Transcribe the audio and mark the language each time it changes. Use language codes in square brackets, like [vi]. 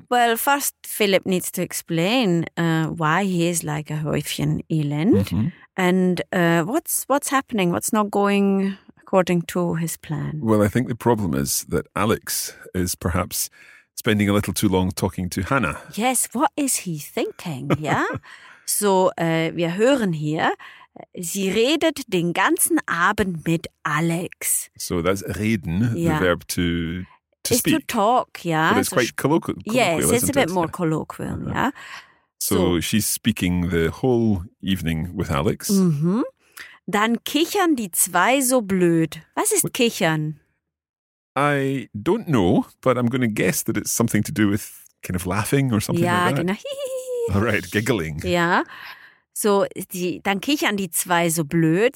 [en] Well, first Philip needs to explain why he is like a Häufchen Elend. Mm-hmm. And what's happening? What's not going according to his plan? Well, I think the problem is that Alex is perhaps spending a little too long talking to Hannah. Yes, what is he thinking? Yeah. [de] So wir hören hier, sie redet den ganzen Abend mit Alex. [en] So that's reden, the verb to speak. It's to talk, yeah. But it's so quite colloquial, yes, isn't it's a bit it? More colloquial, yeah. So she's speaking the whole evening with Alex. Mm-hmm. [de] Dann kichern die zwei so blöd. Was ist kichern? [en] I don't know, but I'm going to guess that it's something to do with kind of laughing or something like that. [de] Genau. [en] All right, giggling. Yeah. [de] So dann kichern die zwei so blöd.